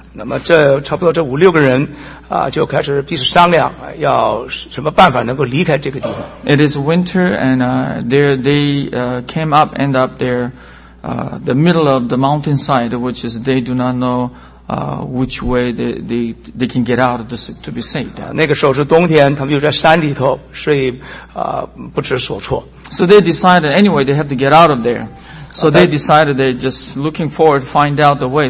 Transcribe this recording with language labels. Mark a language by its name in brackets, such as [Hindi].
[Chinese] 那么这差不多这五六个人就开始彼此商量要什么办法能够离开这个地方。 [English] It is winter and they came up end up there the middle of the mountainside which is they do not know which way they can get out of this to be saved. [Chinese] 那个时候是冬天他们又在山里头所以不知所措。 [English] So they decided anyway they have to get out of there. So they decided they just looking forward to find out the way.